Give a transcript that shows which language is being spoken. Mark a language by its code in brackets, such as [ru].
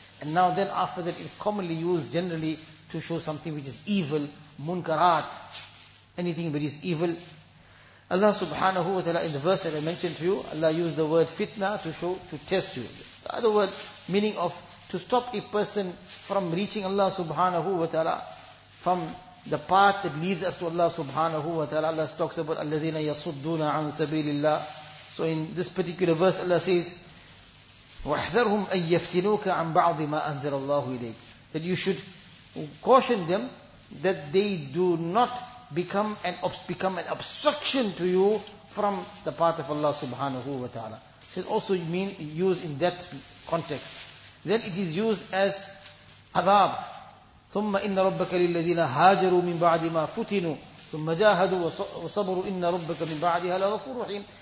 [en] And now then after that it's commonly used generally to show something which is evil, munkarat, anything which is evil. Allah subhanahu wa ta'ala in the verse that I mentioned to you, Allah used the word fitna to show, to test you. The other word, meaning of to stop a person from reaching Allah subhanahu wa ta'ala, from the path that leads us to Allah subhanahu wa ta'ala. Allah talks about [ar] الَّذِينَ يَصُدُّونَ عَن سَبِيلِ اللَّهِ. [en] So in this particular verse Allah says, [ar] وَحْذَرْهُمْ أَن يَفْتِنُوكَ عَن بَعْضِ مَا أَنزَلَ اللَّهُ إِلَيْكَ. [en] That you should caution them that they do not become an obstruction to you from the path of Allah subhanahu wa ta'ala. So it also mean used in that context. Then it is used as adab. [ar] ثُمَّ إِنَّ رَبَّكَ لِلَّذِينَ هَاجَرُوا مِن بَعْدِ مَا فُتِنُوا ثُمَّ جَاهَدُوا وَصَبَرُوا إِنَّ رَبَّكَ مِن بَعْدِهَا لَغَفُورٌ رَحِيمٌ.